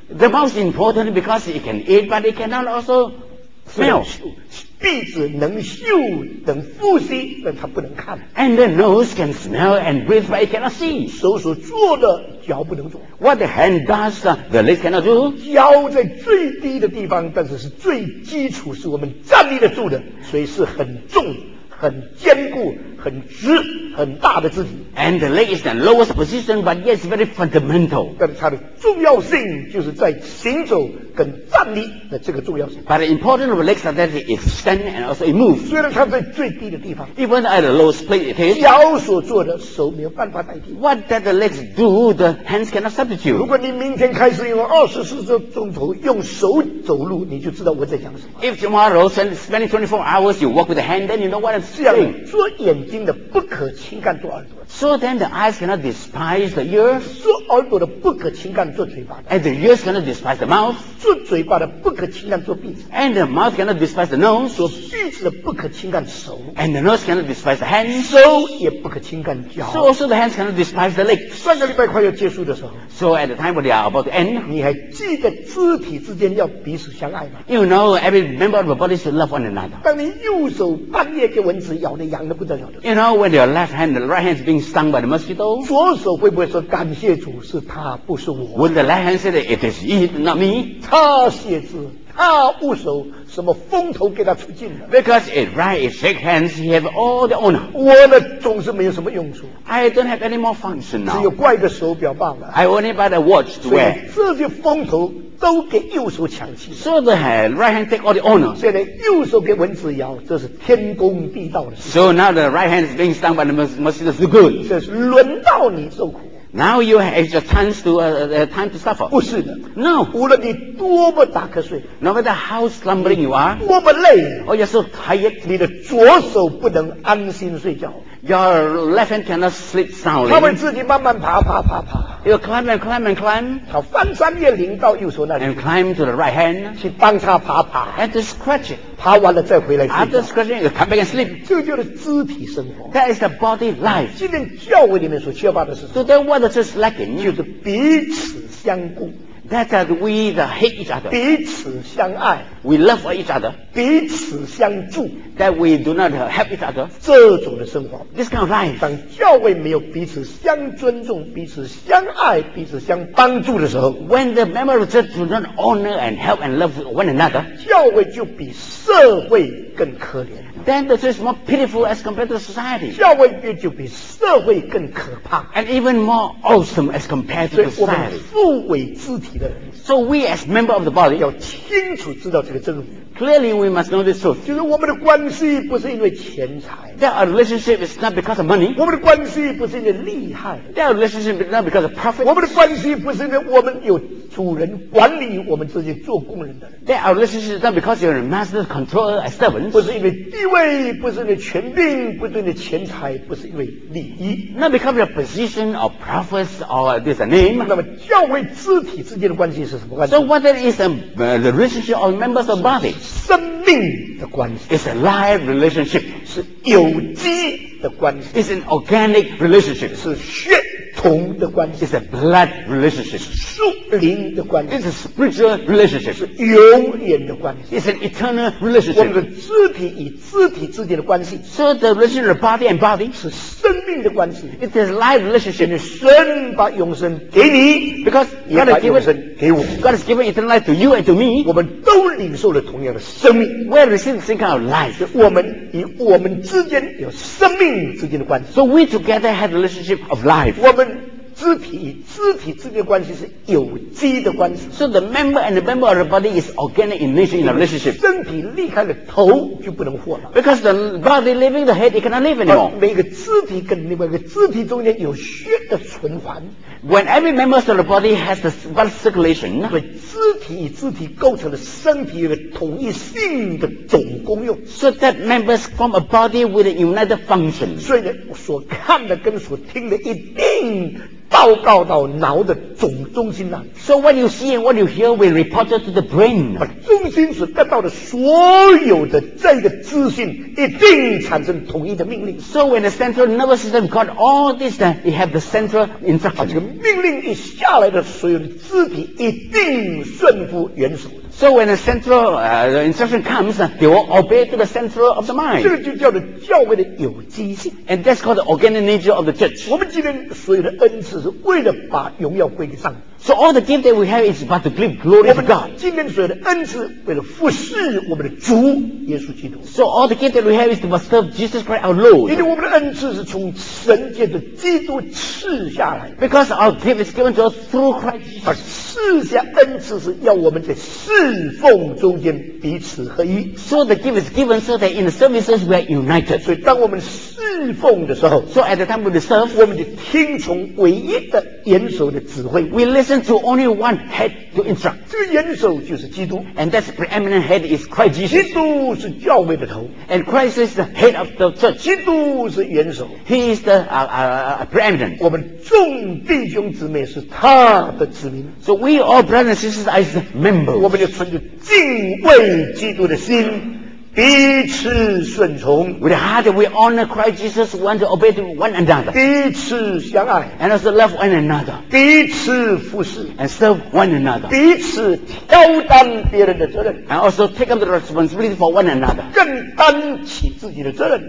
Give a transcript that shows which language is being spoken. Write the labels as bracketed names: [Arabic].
[English] The mouth is important because it can eat but it cannot also smell [Chinese] 鼻子能嗅能呼吸但它不能看 [English] And the nose can smell and breathe but it cannot see [Chinese] 手所做的脚不能做 [English] What the hand does, the legs cannot do [Chinese] 脚在最低的地方但是是最基础是我们站立得住的所以是很重很坚固很直很大的肢体 [English] And the leg is the lowest position but yet very fundamental [Chinese] 但是它的重要性就是在行走跟站立的这个重要性 [English] But the importance of the legs is that it stand and also it moves [Chinese] 虽然它在最低的地方 [English] Even at the lowest place it is [Chinese] 脚所做的手没有办法代替 [English] What that the legs do the hands cannot substitute [Chinese] 如果你明天开始用24钟头用手走路你就知道我在讲什么 [English] If tomorrow spending 24 hours you walk with the hand then you know what I'm saying [Chinese] 做眼睛的不可轻看做耳朵 [English] So then the eyes cannot despise the ears [Chinese] 做耳朵的不可轻看做嘴巴的 [English] And the ears cannot despise the mouth [Chinese] 做嘴巴的不可轻看做鼻子 [English] And the mouth cannot despise the nose [Chinese] 做鼻子的不可轻看手 [English] And the nose cannot despise the hands [Chinese] 手也不可轻看脚 [English] So also the hands cannot despise the legs [Chinese] 上个礼拜快要结束的时候 [English] So at the time when they are about to end [Chinese] 你还记得肢体之间要彼此相爱吗 [English] You know every member of the body should love one another [Chinese] 当你右手半夜给蚊子咬得痒得不得了的 [English] You know when your left hand the right hand is being stung by the mosquito [Chinese] 左手会不会说感谢主是他不是我 [English] Would the left hand say that it is it not me [Chinese] 他写字他握手什么风头给他出尽了 [English] Because it right it shake hands he have all the honor [Chinese] 我呢总是没有什么用处 [English] I don't have any more function now [Chinese] 只有怪个手表罢了 [English] I only buy the watch to wear [Chinese] 这些风头都给右手抢去了 [English] So the hand, right hand take all the honor [Chinese] 现在右手给蚊子咬这是天公地道的事 [English] So now the right hand is being stung by the mosquito so good [Chinese] 这是轮到你受苦 [English] Now you have your chance to time to suffer. [Chinese] 不是的 [English] No. [Chinese] 无论你多么打瞌睡 [English] No matter how slumbering you are. [Chinese] 多么累 [English] Or you're so tired. [Chinese] 你的左手不能安心睡觉 [English] Your left hand cannot sleep soundly. [Chinese] 他们自己慢慢爬爬爬爬 [English] You climb and climb and climb. [Chinese] 他翻山越岭到右手那里 [English] And climb to the right hand. [Chinese] 去帮他爬爬 [English] And to scratch it. [Chinese] 爬完了再回来睡觉 [English] After scratching, you come back and sleep. [Chinese] 这就是肢体生活 [English] That is the body life. [Chinese] 今天教会里面所缺乏的是什么 [English] So then what? The church lacking [Chinese] 就是彼此相顾 [English] That we hate each other. [Chinese] 彼此相爱。 [English] We love each other. [Chinese] 彼此相助。 [English] That we do not help each other. [Chinese] 这种的生活。 [English] This kind of life. [Chinese] 当教会没有彼此相尊重、彼此相爱、彼此相帮助的时候 [English] ，When the members of the church do not honor and help and love one another， [Chinese] 教会就比社会更可怜。 [English] Then the church is more pitiful as compared to society. [Chinese] 教会就比社会更可怕。 [English] And even more awesome as compared to society. [Chinese] 所以我们父为肢体的人。 [English] So we as member of the body. [Chinese] 要清楚知道这个真理。 [English] Clearly we must know this truth. [Chinese] 就是我们的关系不是因为钱财。 [English] That our relationship is not because of money. [Chinese] 我们的关系不是因为厉害。 [English] That our relationship is not because of profit. [Chinese] 我们的关系不是因为我们有主人管理我们这些做工人的人。 [English] That our relationship is not because you're a master controller and servant. [Chinese] 不是因为地位，不是因为权柄，不是因为钱财，不是因为利益。 [English] Not because of your position or profits or this name. [Chinese] 那么教会肢体之间的关系是什么关系？ [English] So what is the relationship of members of body? [Chinese] 生命的关系。 [English] It's a live relationship. [Chinese] 是有机的关系。 [English] It's an organic relationship. [Chinese] 是血。同的关系 [English] is a blood relationship. [Chinese] 属灵的关系 [English] is a spiritual relationship. [Chinese] 是永远的关系 [English] is an eternal relationship. [Chinese] 我们的肢体与肢体之间的关系 [English] so the relationship of body and body [Chinese] 是生命的关系 [English] it is a life relationship. [Chinese] 神把永生给你 [English] because God has given [Chinese] 也把永生给我 [English] God has given eternal life to you and to me. [Chinese] 我们都领受了同样的生命 [English] we receive the same kind of life. [Chinese] 我们与我们之间有生命之间的关系 [English] so we together have a relationship of life. [Chinese] 我们肢体与肢体之间的关系是有机的关系。 [English] So the member and the member of the body is organic in nature in a relationship. [Chinese] 身体离开了头就不能活了。 [English] Because the body leaving the head, it cannot live anymore. [Chinese] 每个肢体跟另外一个肢体中间有血的循环。 [English] When every member of the body has the blood circulation, [Chinese] 所以肢体与肢体构成了身体的统一性的总功用。 [English] So that members form a body with a united function. [Chinese] 所以所看的跟所听的一定报告到脑的总中心了。 [English] So what you see and what you hear will report to the brain. [Chinese] 把中心所得到的所有的这个资讯一定产生统一的命令。 [English] So when the central nervous system got all this, then it had the central instruction. [Chinese] 把这个命令一下来的所有的肢体一定顺服元首。 [English] So when the central instruction comes, they will obey to the central of the mind. [Chinese] 这个就叫做教会的有机性。 [English] And that's called the organic nature of the church. [Chinese] 我们今天所有的恩赐是为了把荣耀归给上帝。 [English] So all the gift that we have is but to give glory to God. [Chinese] 今天所有的恩赐为了服侍我们的主耶稣基督。 [English] So all the gift that we have is to serve Jesus Christ our Lord. [Chinese] 因为我们的恩赐是从神借着基督赐下来。 [English] Because our gift is given to us through Christ Jesus. [Chinese] 而赐下恩赐是要我们在侍奉中间彼此合一。 [English] So the gift is given so that in the services we are united. [Chinese] 所以当我们侍奉的时候 [English] ，So at the time we serve, [Chinese] 我们就听从唯一的元首的指挥。 [English] We listen to only one head to instruct. [Chinese] 这个元首就是基督。 [English] And that preeminent head is Christ Jesus. [Chinese] 基督是教会的头。 [English] And Christ is the head of the church. [Chinese] 基督是元首。 [English] He is the preeminent. [Chinese] 我们众弟兄姊妹是他的子民。 [English] So we all brothers and sisters as members. [Chinese] 我们就存着敬畏基督的心。彼此顺从 [English] with a heart that we honor Christ Jesus want to obey to one another [Chinese] 彼此相爱 [English] and also love one another [Chinese] 彼此服侍 [English] and serve one another [Chinese] 彼此挑担别人的责任 [English] and also take up the responsibility for one another [Chinese] 更担起自己的责任